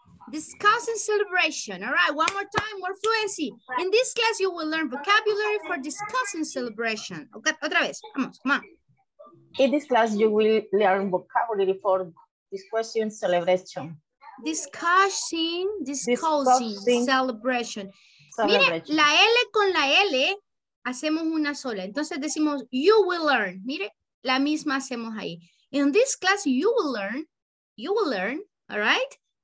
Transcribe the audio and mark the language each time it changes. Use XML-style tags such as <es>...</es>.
<en>Discuss and celebration. All right, one more time, more fluency. In this class, you will learn vocabulary for discuss and celebration.</en> <es>Okay, otra vez, vamos,</es> <en>come on. In this class, you will learn vocabulary for discuss and celebration. Discussing, celebration.</en> <es>Mire, la L con la L, hacemos una sola. Entonces decimos,</es> <en>you will learn.</en> <es>Mire, la misma hacemos ahí.</es> <en>In this class, you will learn, all right?</en>